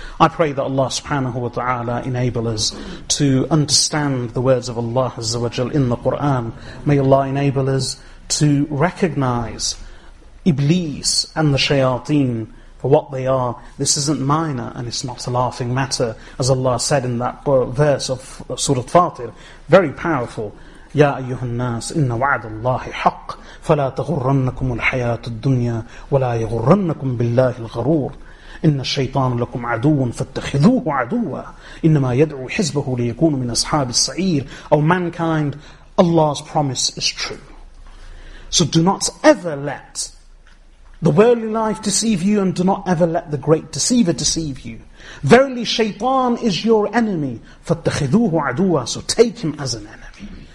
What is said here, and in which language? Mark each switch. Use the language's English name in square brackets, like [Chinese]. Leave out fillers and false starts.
[English] I pray that Allah subhanahu wa ta'ala enable us to understand the words of Allah azza wa jal in the Quran. May Allah enable us to recognize Iblis and the shayateen for what they are. This isn't minor and it's not a laughing matter, as Allah said in that verse of Surah Fatir, very powerful. [Arabic] يا أيها الناس إن وعد الله حق فلا تغرنكم الحياة الدنيا ولا يغرنكم بالله الغرور إن الشيطان لكم عدو فاتخذوه عدوا إنما يدعو حزبه ليكون من أصحاب السعير. [English] O mankind, Allah's promise is true. So do not ever let the worldly life deceive you, and do not ever let the great deceiver deceive you. Verily, shaitan is your enemy. [Arabic] فَاتَّخِذُوهُ عَدُوًا. [English] So take him as an enemy.